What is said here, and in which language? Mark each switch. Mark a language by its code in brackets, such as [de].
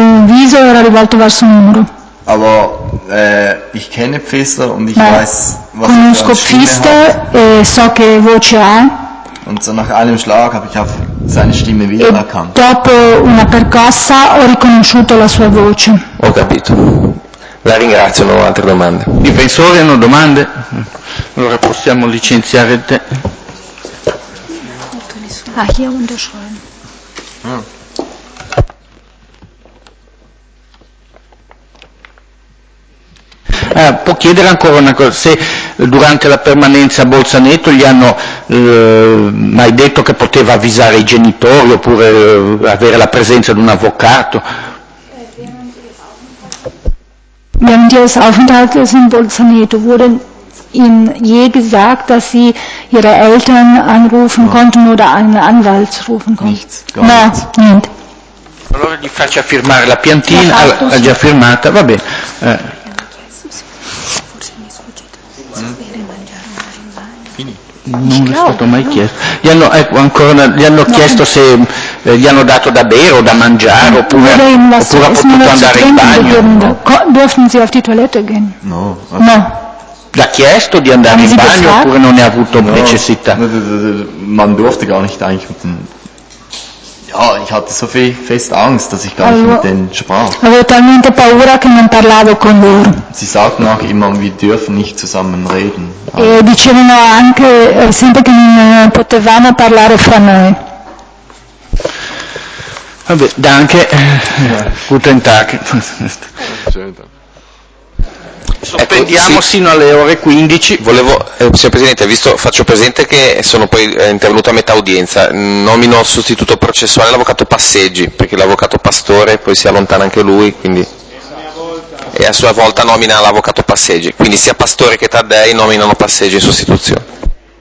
[it] Viso era rivolto verso il muro. [de] Aber ich kenne Pfister und ich weiß, was [it] er conosco Pfister e so che voce ha. [de] Und so nach einem Schlag habe ich auch seine Stimme wiedererkannt. [it] Dopo una percossa ho riconosciuto la sua voce. Ho capito. La ringrazio, non ho altre domande. I difensori hanno domande? Allora possiamo licenziare te. [de] Ah, hier unterschreiben. [it] Può chiedere ancora una cosa, se durante la permanenza a Bolzaneto gli hanno mai detto che poteva avvisare i genitori oppure avere la presenza di un avvocato? [de] Während ihres Aufenthalts in Bolzaneto wurde ihnen je gesagt, dass sie ihre Eltern anrufen konnten oder einen Anwalt rufen konnten? Nichts. Nein, [it] niente. Allora gli faccio firmare la piantina, ha già firmata, va bene. Non è stato mai chiesto. Gli hanno, chiesto se gli hanno dato da bere o da mangiare oppure ha potuto andare in bagno. [de] Dürfen Sie auf die Toilette gehen? [it] No. L'ha chiesto di andare in bagno oppure non ne ha avuto necessità? [de] Man durfte gar nicht eigentlich. Ja, ich hatte so viel fest Angst, dass ich gar nicht mit denen sprach. [it] Avevo talmente paura che non parlavo con loro. [de] Sie sagten auch immer, wir dürfen nicht zusammen reden. [it] E dicevano anche sempre che non potevamo parlare fra noi. Vabbè, [de] danke. Guten Tag. [it] Sospendiamo sì. Sino alle ore 15. Volevo, signor Presidente, visto, faccio presente che sono poi intervenuto a metà udienza, nomino sostituto processuale l'avvocato Passeggi, perché l'avvocato Pastore poi si allontana anche lui, quindi e a sua volta nomina l'avvocato Passeggi, quindi sia Pastore che Taddei nominano Passeggi in sostituzione.